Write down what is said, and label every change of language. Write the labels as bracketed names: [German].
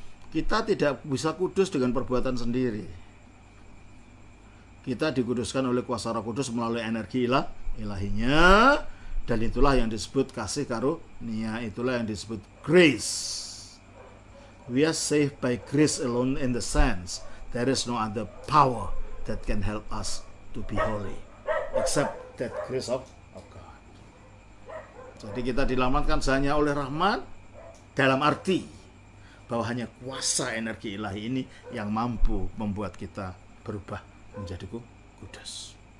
[Indonesian] Kita tidak bisa kudus dengan perbuatan sendiri. Kita dikuduskan oleh kuasa Roh Kudus melalui energi ilahinya. Dan itulah yang disebut kasih karunia. Itulah yang disebut grace. [English] We are saved by grace alone in the sense there is no other power that can help us to be holy except that grace of God. [Indonesian] Jadi kita dilamatkan hanya oleh rahmat, dalam arti bahwa hanya kuasa energi ilahi ini yang mampu membuat kita berubah menjadi kudus.